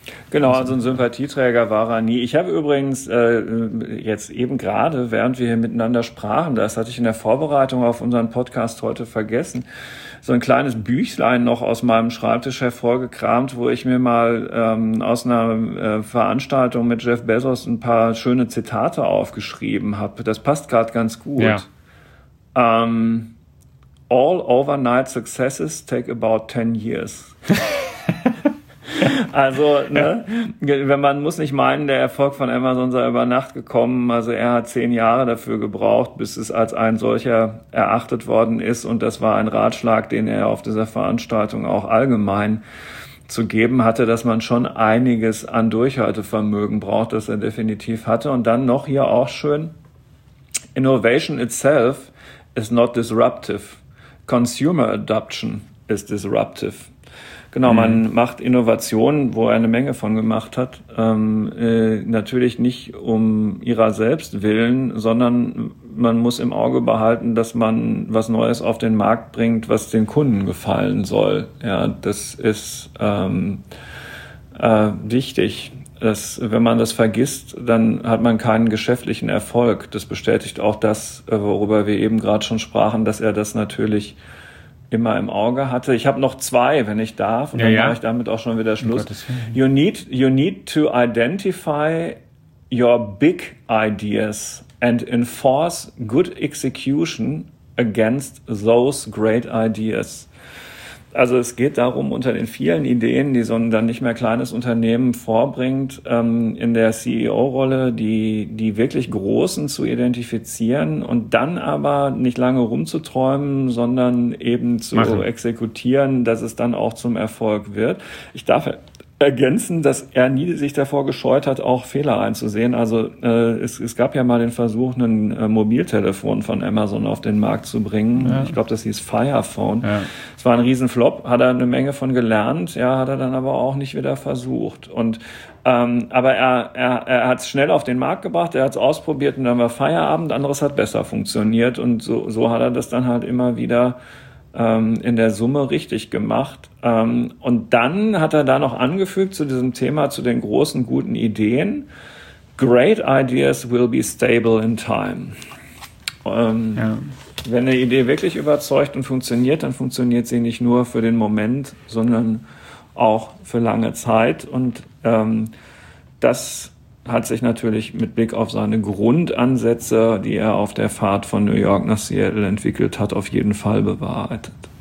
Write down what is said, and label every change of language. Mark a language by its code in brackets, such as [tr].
[de] Genau, also ein Sympathieträger war er nie. Ich habe übrigens jetzt eben gerade, während wir hier miteinander sprachen, das hatte ich in der Vorbereitung auf unseren Podcast heute vergessen, so ein kleines Büchlein noch aus meinem Schreibtisch hervorgekramt, wo ich mir mal aus einer Veranstaltung mit Jeff Bezos ein paar schöne Zitate aufgeschrieben habe. Das passt gerade ganz gut. Ja. [en] All overnight successes take about 10 years. [de] Also, ne, wenn man muss nicht meinen, der Erfolg von Amazon sei über Nacht gekommen. Also er hat 10 Jahre dafür gebraucht, bis es als ein solcher erachtet worden ist. Und das war ein Ratschlag, den er auf dieser Veranstaltung auch allgemein zu geben hatte, dass man schon einiges an Durchhaltevermögen braucht, das er definitiv hatte. Und dann noch hier auch schön, [en] Innovation itself is not disruptive. Consumer adoption is disruptive. [de] Genau, man macht Innovationen, wo er eine Menge von gemacht hat, natürlich nicht um ihrer selbst willen, sondern man muss im Auge behalten, dass man was Neues auf den Markt bringt, was den Kunden gefallen soll. Ja, das ist wichtig. Das, wenn man das vergisst, dann hat man keinen geschäftlichen Erfolg. Das bestätigt auch das, worüber wir eben gerade schon sprachen, dass er das natürlich immer im Auge hatte. Ich habe noch zwei, wenn ich darf, und dann mache ich damit auch schon wieder Schluss. [en] You need to identify your big ideas and enforce good execution against those great ideas. [de] Also es geht darum, unter den vielen Ideen, die so ein dann nicht mehr kleines Unternehmen vorbringt, in der CEO-Rolle die wirklich Großen zu identifizieren und dann aber nicht lange rumzuträumen, sondern eben zu exekutieren, dass es dann auch zum Erfolg wird. Ich darf ergänzen, dass er nie sich davor gescheut hat, auch Fehler einzusehen. Also es gab ja mal den Versuch, ein Mobiltelefon von Amazon auf den Markt zu bringen. Ja. Ich glaube, das hieß Fire Phone. Es war ein Riesenflop, hat er eine Menge von gelernt, ja, hat er dann aber auch nicht wieder versucht. Und aber er hat es schnell auf den Markt gebracht, er hat es ausprobiert und dann war Feierabend. Anderes hat besser funktioniert und so hat er das dann halt immer wieder in der Summe richtig gemacht. Und dann hat er da noch angefügt zu diesem Thema, zu den großen guten Ideen. [en] Great ideas will be stable in time. [de] Wenn eine Idee wirklich überzeugt und funktioniert, dann funktioniert sie nicht nur für den Moment, sondern auch für lange Zeit. Und das hat sich natürlich mit Blick auf seine Grundansätze, die er auf der Fahrt von New York nach Seattle entwickelt hat, auf jeden Fall bewahrheitet.